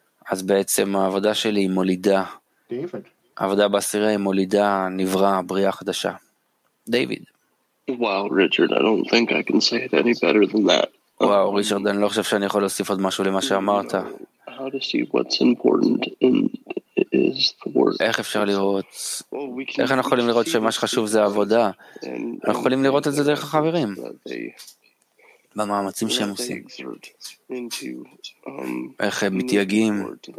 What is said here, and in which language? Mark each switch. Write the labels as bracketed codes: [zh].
[he] אז בעצם העבודה שלי היא מולידה. עבודה בעשירה היא מולידה, נברא, בריאה חדשה. דיוויד. [en] וואו, ריצ'רד, I don't think I can say it any better than that. [he] וואו, ריצ'רד, אני לא חושב שאני יכול להוסיף עוד משהו למה שאמרת. [en] How to see what's important in is the work. [he] איך אפשר לראות, איך אנחנו יכולים לראות שמה שחשוב זה העבודה? אנחנו יכולים לראות את זה דרך החברים. במאמצים שהם עושים. איך הם מתייגים.